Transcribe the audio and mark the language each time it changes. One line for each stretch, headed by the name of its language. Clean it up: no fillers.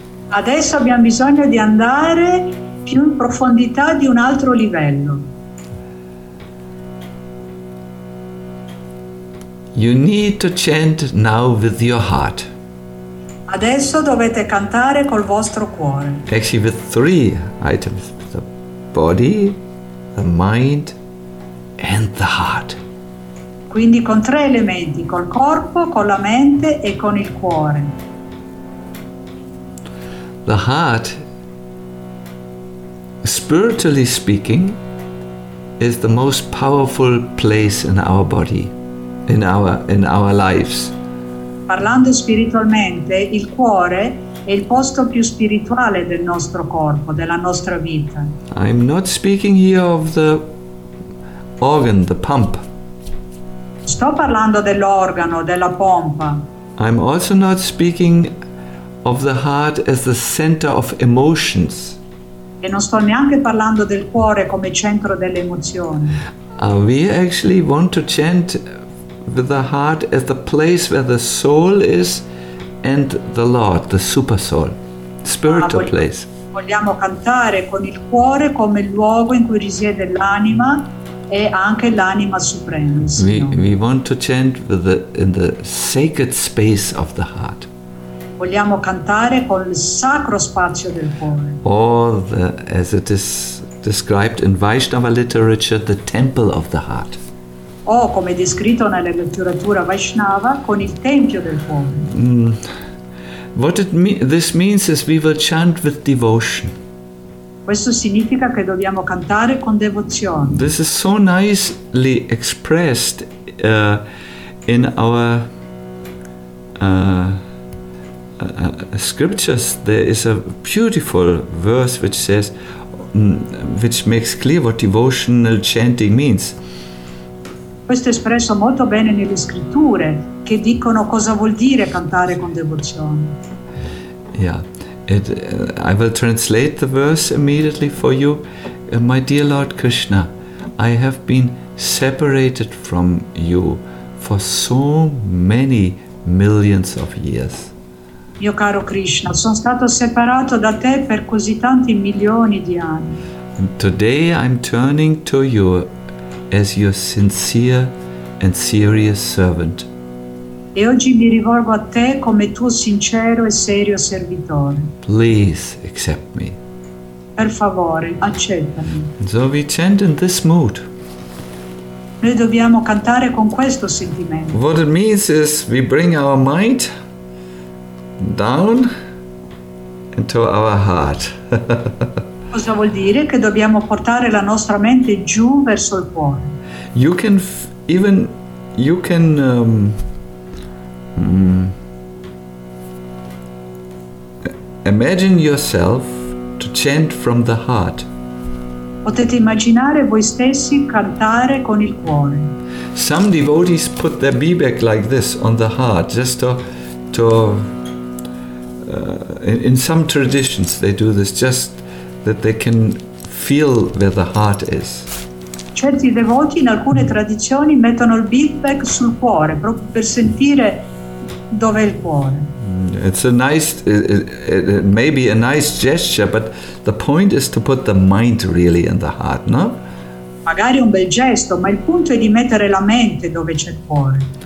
Italian: Adesso abbiamo bisogno di andare più in profondità di un altro livello.
English: You need to chant now with your heart.
Italian: Adesso dovete cantare col vostro cuore.
English: Actually, with three items: the body, the mind, and the heart.
Italian: Quindi con tre elementi: col corpo, con la mente e con il cuore.
English: The heart, spiritually speaking, is the most powerful place in our body. In our lives.
Italian: Parlando spiritualmente, il cuore è il posto più spirituale del nostro corpo, della nostra vita.
English: I'm not speaking here of the organ, the pump.
Italian: Sto parlando dell'organo, della pompa.
English: I'm also not speaking of the heart as the center of emotions.
Italian: E non sto neanche parlando del cuore come centro delle emozioni.
English: We actually want to chant with the heart as the place where the soul is and the Lord, the super soul, spiritual place.
Italian: Vogliamo cantare con il cuore come il luogo in cui risiede l'anima e anche l'anima suprema.
English: We want to chant with in the sacred space of the heart.
Italian: Vogliamo cantare col sacro spazio del cuore.
English: As it is described in Vaishnava literature, the temple of the heart.
Italian: O come descritto nella letteratura Vaishnava, con il tempio del cuore.
English: This means is we will chant with devotion.
Italian: Questo significa che dobbiamo cantare con devozione.
English: This is so nicely expressed in our scriptures. There is a beautiful verse which says, which makes clear what devotional chanting means.
Italian: Questo è espresso molto bene nelle scritture che dicono cosa vuol dire cantare con devozione.
English: Yeah, I will translate the verse immediately for you. My dear Lord Krishna, I have been separated from you for so many millions of years.
Italian: Mio caro Krishna, sono stato separato da te per così tanti milioni di anni.
English: And today I'm turning to you as your sincere and serious servant.
Italian: E oggi mi rivolgo a te come tuo sincero e serio servitore.
English: Please accept me.
Italian: Per favore, accettami.
English: So we chant in this mood.
Italian: Noi dobbiamo cantare con questo sentimento.
English: What it means is we bring our mind down into our heart.
Italian: Cosa vuol dire? Che dobbiamo portare la nostra mente giù verso il cuore.
English: You can even you can imagine yourself to chant from the heart.
Italian: Potete immaginare voi stessi cantare con il cuore.
English: Some devotees put their bebek like this on the heart, just to in some traditions they do this, just that they can feel where the heart is.
Italian: Certi devoti in alcune tradizioni mettono il bebek sul cuore proprio per sentire dove è il cuore.
English: It's a nice, it may be a nice gesture, but the point is to put the mind really in the heart, no?
Italian: Magari un bel gesto, ma il punto è di mettere la mente dove c'è il cuore.